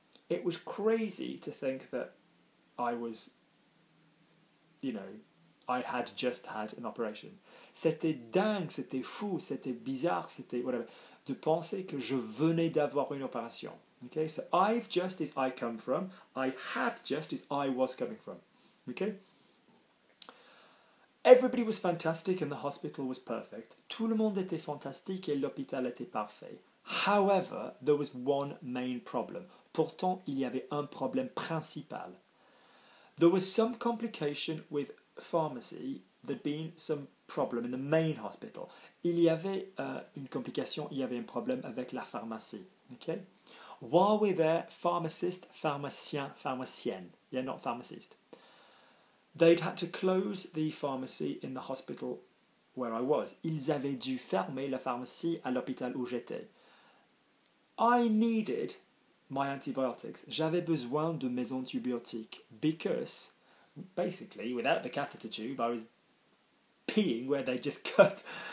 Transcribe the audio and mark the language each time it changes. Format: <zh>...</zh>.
<en>It was crazy to think that I was, you know, I had just had an operation.</en> <fr>C'était dingue, c'était fou, c'était bizarre, c'était whatever, de penser que je venais d'avoir une opération.</fr> <en>Okay, so I've just is I come from, I had just is I was coming from. Okay? Everybody was fantastic and the hospital was perfect.</en> <fr>Tout le monde était fantastique et l'hôpital était parfait.</fr> <en>However, there was one main problem.</en> <fr>Pourtant, il y avait un problème principal.</fr> <en>There was some complication with pharmacy. There'd been some problem in the main hospital.</en> <fr>Il y avait une complication, il y avait un problème avec la pharmacie.</fr> <en>Okay? While we're there, pharmacist, pharmacien, pharmacienne. Yeah, not pharmacist. They'd had to close the pharmacy in the hospital where I was.</en> <fr>Ils avaient dû fermer la pharmacie à l'hôpital où j'étais.</fr> <en>I needed my antibiotics.</en> <fr>J'avais besoin de mes antibiotiques</fr> <en>because, basically, without the catheter tube, I was peeing where they just cut.</en>